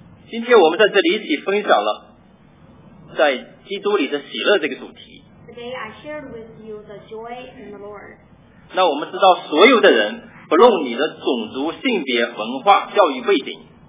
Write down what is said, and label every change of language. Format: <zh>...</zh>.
<zh>今天我们在这里一起分享了在基督里的喜乐这个主题。</zh> <en>Today I shared with you the joy in the Lord.</en> <zh>那我们知道所有的人，不论你的种族、性别、文化、教育背景。</zh>